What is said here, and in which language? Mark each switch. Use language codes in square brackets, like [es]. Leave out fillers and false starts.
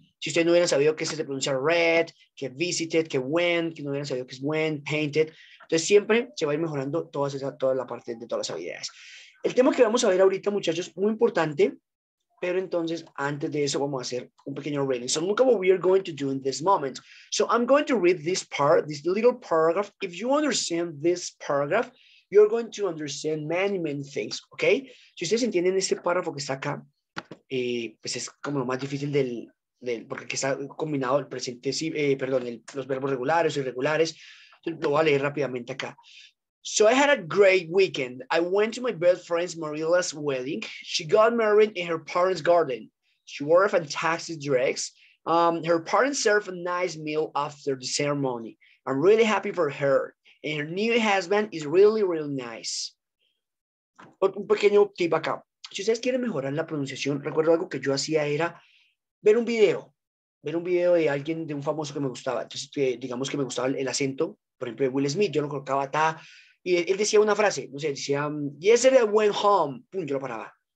[es] Si ustedes no hubieran sabido que se pronuncia read, que visited, que went, que no hubieran sabido que es went, painted. Entonces, siempre se va a ir mejorando toda la parte de todas las habilidades. El tema que vamos a ver ahorita, muchachos, muy importante, pero entonces antes de eso vamos a hacer un pequeño reading. [en] So look at what we are going to do in this moment. So I'm going to read this part, this little paragraph. If you understand this paragraph, you're going to understand many, many things, okay? [es] Si ustedes entienden este párrafo que está acá, pues es como lo más difícil del porque está combinado el presente, los verbos regulares o irregulares. Lo voy a leer rápidamente acá. [en] So I had a great weekend. I went to my best friend's Marilla's wedding. She got married in her parents' garden. She wore a fantastic dress. Her parents served a nice meal after the ceremony. I'm really happy for her. And her new husband is really, really nice. [es] Un pequeño tip acá. Si ustedes quieren mejorar la pronunciación, recuerdo algo que yo hacía era ver un video. Ver un video de alguien, de un famoso que me gustaba. Entonces, digamos que me gustaba el acento. Por ejemplo, Will Smith, yo lo colocaba ta y él decía una frase, no sé, decía [en] yesterday I went home, [es] pum, yo lo paraba.